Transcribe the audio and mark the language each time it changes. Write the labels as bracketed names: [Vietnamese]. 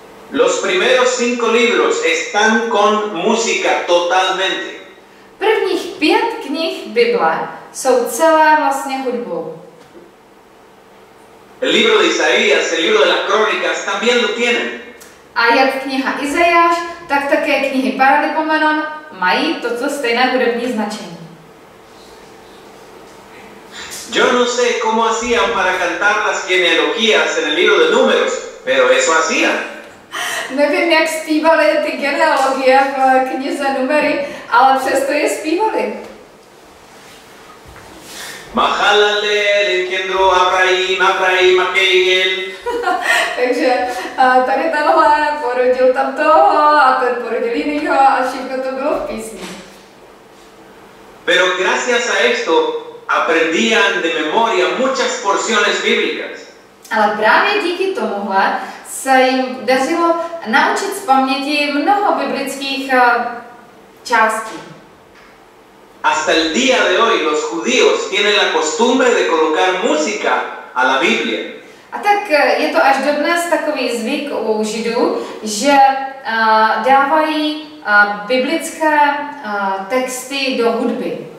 [Spanish] Los primeros cinco libros están con música totalmente. [Czech] Prvních pět knih Bible jsou celé vlastně hudbou. [Spanish] El libro de Isaías, el libro de las crónicas, también lo tienen. [Czech] A jak kniha Izajáš, tak také knihy Paralipomenon mají toto stejné hudební značení. [Spanish] Yo no sé cómo hacían para cantar las genealogías en el libro de Números, pero eso hacían. [Czech] Nevím, jak zpívali ty genealogie v knize Numery, ale přesto je zpívali. Mahalalel, kendro, Abraham, Abraham, Keigel. Takže tady tenhle porodil tam toho a ten porodil jinýho a všechno to bylo v písni. [Spanish] Pero gracias a esto aprendían de memoria muchas porciones bíblicas. [Czech] Ale právě díky tomuhle se jim dařilo naučit z paměti mnoho biblických částí. [Spanish] Hasta el día de hoy los judíos tienen la costumbre de colocar música a la Biblia. [Czech] A tak je to až do dnes takový zvyk u Židů, že dávají biblické texty do hudby.